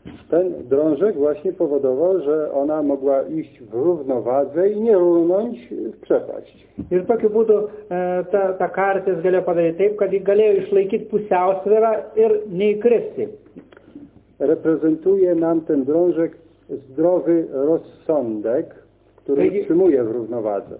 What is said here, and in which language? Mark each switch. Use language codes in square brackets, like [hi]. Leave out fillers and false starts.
[pl] Ten drążek właśnie powodował, że ona mogła iść w równowadze i nie runąć w przepaść. [lt] Ir tokiu būdu ta kartis galėjo padaryti taip, kad ji galėjo išlaikyti pusiausvyrą ir neįkristi. [pl] Reprezentuje nam ten drążek zdrowy rozsądek, który utrzymuje w równowadze.